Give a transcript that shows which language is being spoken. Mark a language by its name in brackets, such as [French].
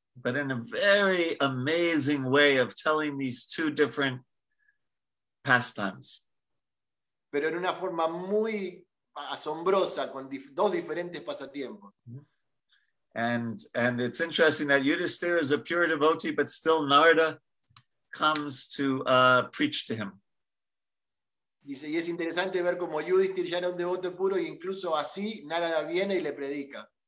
[English] But in a very amazing way of telling these two different pastimes. [Spanish] Pero en una forma muy asombrosa con dos diferentes pasatiempos. Mm-hmm. [English] And it's interesting that Yudhisthira is a pure devotee, but still Narada comes to preach to him. [Spanish] Dice, y es interesante ver cómo Yudhisthira ya era un devoto puro, y incluso así Narada viene y le predica.